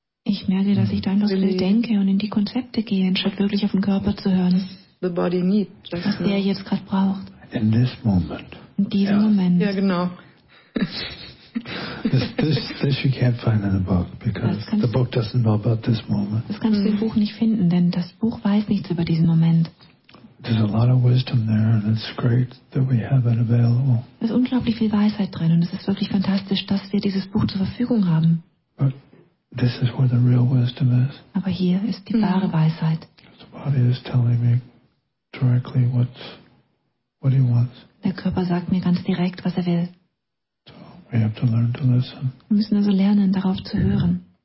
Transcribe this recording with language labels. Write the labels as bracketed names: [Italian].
[German] Ich merke, dass ich da einfach really viel denke und in die Konzepte gehe, anstatt wirklich auf den Körper zu hören, [English] the body need, [German] was der jetzt gerade braucht. [English] In this moment. [German] In diesem Moment. Ja, genau. [English] This you can't find in the book, because the book doesn't know about this moment. [German] Das kannst du im Buch nicht finden, denn das Buch weiß nichts über diesen Moment. [English] There's a lot of wisdom there, and it's great that we have it available. [German] Es ist unglaublich viel Weisheit drin, und es ist wirklich fantastisch, dass wir dieses Buch zur Verfügung haben. [English] But this is where the real wisdom is. [German] Aber hier ist die wahre Weisheit. [English] The body is telling me directly what he wants. [German] Der Körper sagt mir ganz direkt, was er will. [English] So we have to learn to listen. [German] Wir müssen also lernen, darauf zu hören.